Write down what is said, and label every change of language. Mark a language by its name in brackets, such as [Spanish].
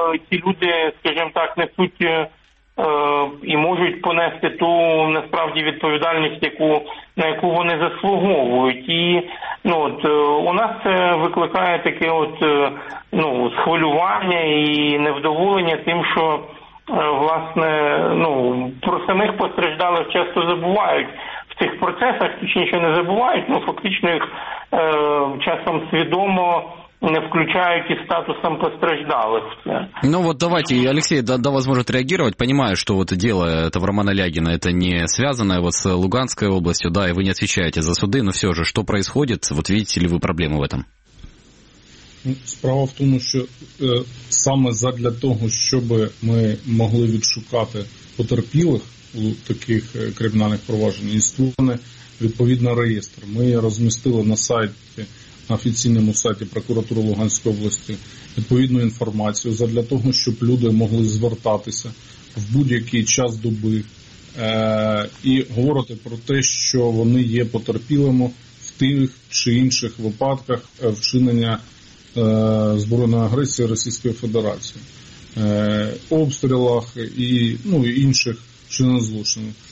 [Ukrainian] ці люди, скажімо так, несуть і можуть понести ту насправді відповідальність, яку, на яку вони заслуговують. І ну, от, у нас це викликає таке от, ну, схвилювання і невдоволення тим, що власне, ну, про самих постраждалих часто забувають в цих процесах, точніше не забувають, ну, фактично їх часом свідомо не включають і статусом постраждалих. [Russian] Ну вот давайте, Алексей, да вас может реагировать. Понимаю, что вот дело этого Романа Лягина, это не связанное вот с Луганской областью, да, и вы не отвечаете за суды, но все же, что происходит, вот видите ли вы проблему в этом? [Ukrainian] Справа в тому, що саме задля того, щоб ми могли відшукати потерпілих у таких кримінальних провадженнях, і створено відповідний реєстр. Ми розмістили на сайті, на офіційному сайті прокуратури Луганської області відповідну інформацію задля того, щоб люди могли звертатися в будь-який час доби і говорити про те, що вони є потерпілими в тих чи інших випадках вчинення збройної агресії Російської Федерації, обстрілах і ну, інших чинних злочинів.